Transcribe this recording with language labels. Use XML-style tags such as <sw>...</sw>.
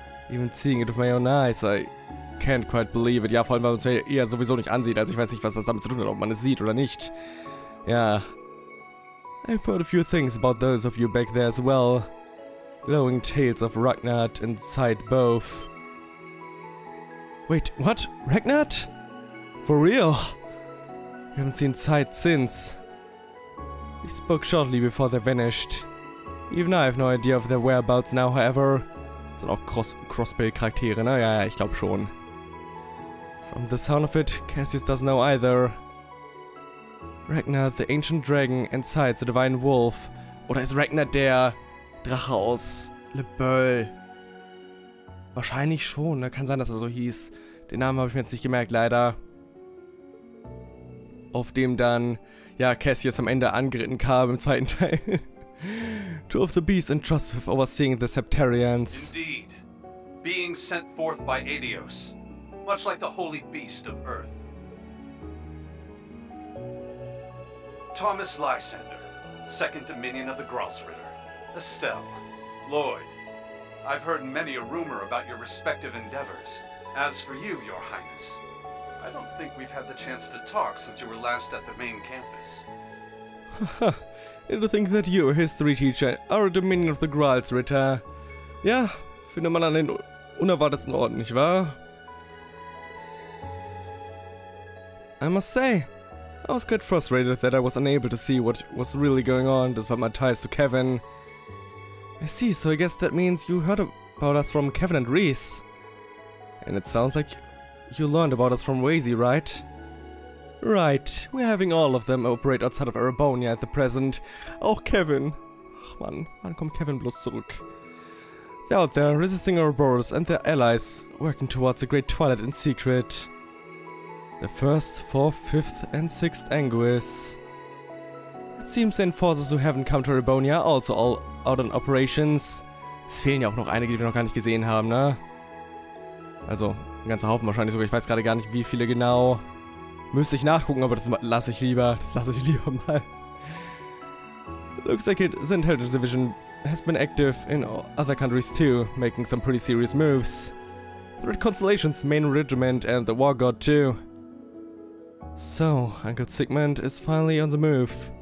<en>Even seeing it with my own eyes, I can't quite believe it.</en> <de>Ja, vor allem, weil man es mir eher sowieso nicht ansieht, also ich weiß nicht, was das damit zu tun hat, ob man es sieht oder nicht. Ja.</de> <en>I've heard a few things about those of you back there as well. Glowing tales of Ragnard and Zeit both. Wait, what? Ragnard? For real? We haven't seen Zeit since. We spoke shortly before they vanished. Even I have no idea of their whereabouts now, however.</en> <de>Das sind auch Crossbell-Charaktere, ne? Ja, ich glaube schon.</de> <en>From the sound of it, Cassius doesn't know either. Ragnard, the ancient dragon, and Zeit, the divine wolf.</en> <de>Oder ist Ragnard der Drache aus Le Boel? Wahrscheinlich schon, ne? Kann sein, dass er so hieß. Den Namen habe ich mir jetzt nicht gemerkt, leider. Auf dem dann, ja, Cassius am Ende angeritten kam im zweiten Teil.</de> <en>Two of the beasts entrusted with overseeing the Septarians. Indeed. Being sent forth by Adios. Much like the holy beast of Earth. Thomas Lysander, second dominion of the Grossritter. Estelle, Lloyd, I've heard many a rumor about your respective endeavors. As for you, your highness, I don't think we've had the chance to talk since you were last at the main campus. Haha, I think that you, a history teacher, are a dominion of the Grossritter.</en> <de>Ja, finde man an den unerwartetsten Orten, nicht wahr?</de> <en>I must say, I was quite frustrated that I was unable to see what was really going on, despite my ties to Kevin. I see, so I guess that means you heard about us from Kevin and Rhys. And it sounds like you learned about us from Wazy, right? Right, we're having all of them operate outside of Erebonia at the present.</en> <de>Auch Kevin. Ach man, wann kommt Kevin bloß zurück?</de> <en>They're out there, resisting Ouroboros and their allies, working towards a great twilight in secret. The 1st, 4th, 5th, and 6th Anguis. It seems the enforcers who haven't come to Erebonia are also all out on operations.</en> <de>Es fehlen ja auch noch einige, die wir noch gar nicht gesehen haben, ne? Also, ein ganzer Haufen wahrscheinlich sogar. Ich weiß gerade gar nicht, wie viele genau. Müsste ich nachgucken, aber das lasse ich lieber. Das lasse ich lieber mal.</de> <en>Looks like the Intelligence Division has been active in other countries too, making some pretty serious moves. The Red Constellation's main regiment and the War God too. So, Uncle Sigmund is finally on the move.</en>